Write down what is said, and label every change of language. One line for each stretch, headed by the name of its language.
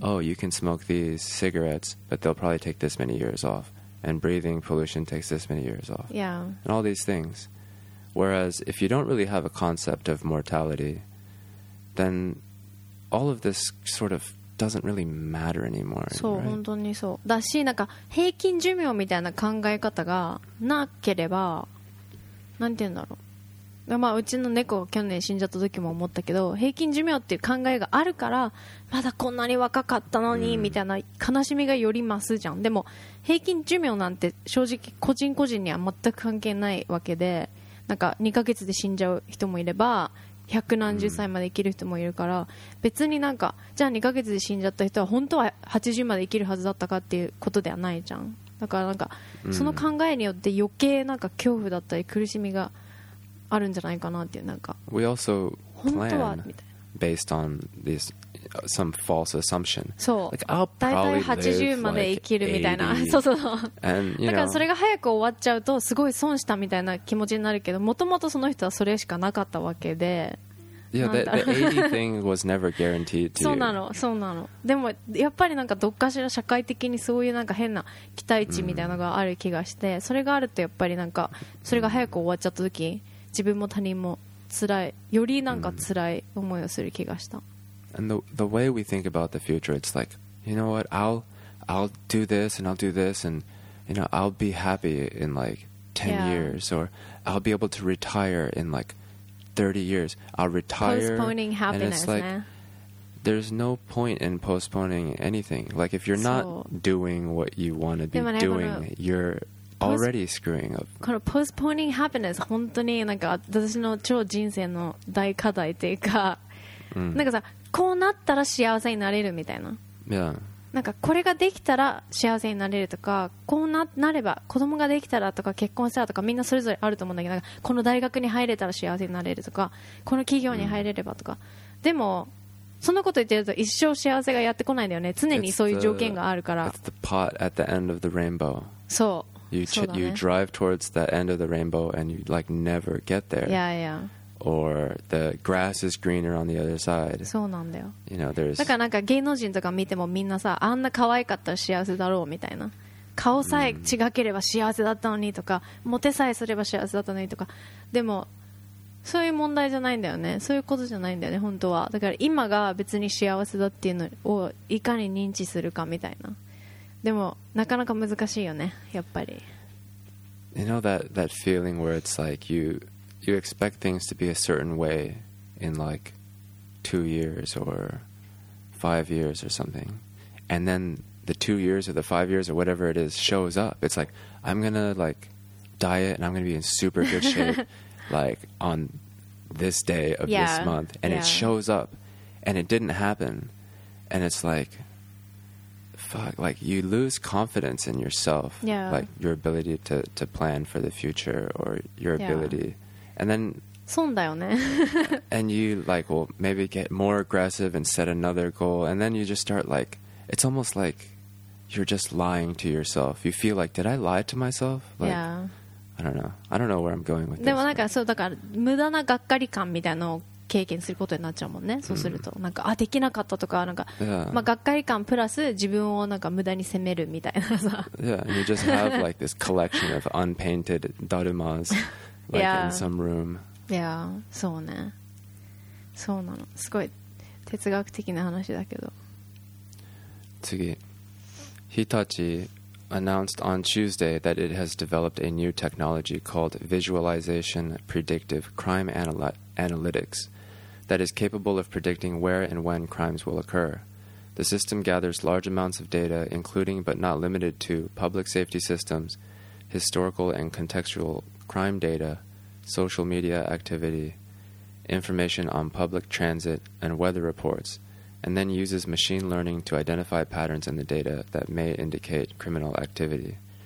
English: Oh, you can smoke these cigarettes, but they'll probably take this many years off. And breathing pollution takes this many years off. Yeah. And all these things. Whereas if you don't really have a concept of mortality, then all of this sort of doesn't really matter anymore.
Japanese: そう、
English: right?
Japanese: 本当にそう。だし、なんか平均寿命みたいな考え方がなければ、なんて言うんだろう。まあうちの猫が去年死んじゃった時も思ったけど、平均寿命っていう考えがあるから、まだこんなに若かったのにみたいな悲しみがより増すじゃん。でも平均寿命なんて正直個人個人には全く関係ないわけで、なんか2ヶ月で死んじゃう人もいれば百何十歳まで生きる人もいるから、別になんかじゃあ2ヶ月で死んじゃった人は本当は80まで生きるはずだったかっていうことではないじゃん。だからなんかその考えによって余計なんか恐怖だったり苦しみがあるんじゃないかなっていう、なんか
English: We also plan
Japanese: 本当はみたいな
English: based on this some false assumption.
Japanese: そう、
English: like, I'll probably
Japanese: だいたい80 まで生きるみたいな、
English: like、
Japanese: そうそうそう
English: And, you know,
Japanese: だからそれが早く終わっちゃうとすごい損したみたいな気持ちになるけど、もともとその人はそれしかなかったわけで、
English: Yeah, the 80 thing was never guaranteed to you.
Japanese: そうなの、そうなの。でもやっぱりなんかどっかしら社会的にそういうなんか変な期待値みたいなのがある気がして、それがあるとやっぱりなんかそれが早く終わっちゃった時、自分も他人も辛い、よりなんか辛い思いをする気がした。
English: And the way we think about the future, it's like, you know what, I'll do this and I'll do this and, you know, I'll be happy in like 10 years or I'll be able to retire in like 30 years. I'll retire. Postponing happiness, and it's like, there's no point in postponing anything. Like if you're not doing what you want to be doing, you're already screwing up.
Japanese: この
English: postponing happiness
Japanese: 本当になんか私の超人生の大課題っていうか、なんかさ、こうなったら幸せになれるみたいな、なんかこれができたら幸せになれるとか、こうなれば子供ができたらとか結婚したらとか、みんなそれぞれあると思うんだけど、なんかこの大学に入れたら幸せになれるとか、この企業に入れればとか、でもそんなこと言ってると一生幸せがやってこないんだよね。常にそういう条件があるから。
English: It's the pot at the end of the rainbow.
Japanese: そう、
English: You drive towards the end of the rainbow and you like never get there. Yeah, yeah. Or the grass is greener on the other side.
Japanese: そうなんだよ。
English: You know, there's...
Japanese: だからなんか芸能人とか見てもみんなさ、あんな可愛かったら幸せだろうみたいな、顔さえ違ければ幸せだったのにとか、モテさえすれば幸せだったのにとか、でもそういう問題じゃないんだよね。そういうことじゃないんだよね、本当は。だから今が別に幸せだっていうのをいかに認知するかみたいな。でもなかなか難しいよね、やっぱり。
English: You know that feeling where it's like you expect things to be a certain way in like 2 years or 5 years or something, and then the 2 years or the 5 years or whatever it is shows up. It's like, I'm gonna like diet and I'm gonna be in super good shape like on this day of this month, and it shows up and it didn't happen, and it's like, fuck, like you lose confidence in yourself, like your ability to plan for the future or your ability, and then
Japanese: 損だよね。
English: And you like will maybe get more aggressive and set another goal, and then you just start like, it's almost like you're just lying to yourself. You feel like, did I lie to myself? Like, I don't know where I'm going with this.
Japanese: でもなんかそう、だから無駄ながっかり感みたいなのを経験することになっちゃうもんね。そうすると、なんかあ、できなかったとか、なんか、まあ、がっかり感プラス自分をなんか無駄に責めるみたいなさ。
English: Yeah, and you just have like this collection of unpainted dharmas like in some room. Yeah,
Japanese: そうね。そうなの。すごい哲学的な話だけど。次、日立
English: announced on Tuesday that it has developed a new technology called Visualization Predictive Crime Analytics that is capable of predicting where and when crimes will occur. The system gathers large amounts of data, including but not limited to public safety systems, historical and contextual crime data, social media activity, information on public transit and weather reports, and then uses machine learning to identify patterns in the data that may indicate criminal activity.